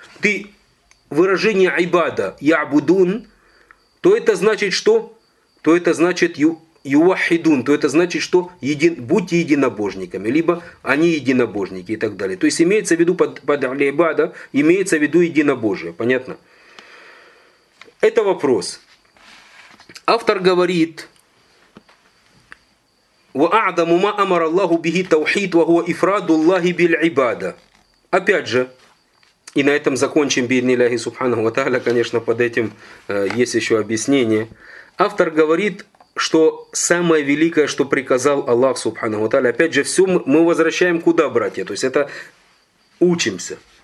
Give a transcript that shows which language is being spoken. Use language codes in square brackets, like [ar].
[ru] Ты выражение «айбада» «ябудун», то это значит что? То это значит «юахидун», то это значит что? Будьте единобожниками, либо они единобожники и так далее. То есть имеется в виду под «айбада», имеется в виду единобожие, понятно? Это вопрос. Автор говорит… [ar] وَأَعْدَمُ مَا أَمَرَ اللَّهُ بِهِ تَوْحِيد وَهُوَ إِفْرَادُ اللَّهِ بِالْعِبَادَ. [ru] Опять же, и на этом закончим [ar] بِإِذْنِ اللَّهِ سُبْحَانَهُ وَتَعَالَى, [ru] конечно, под этим есть еще объяснение. Автор говорит, что самое великое, что приказал Аллах سبحانه وتعالى. Опять же, все мы возвращаем куда, братья? То есть это учимся.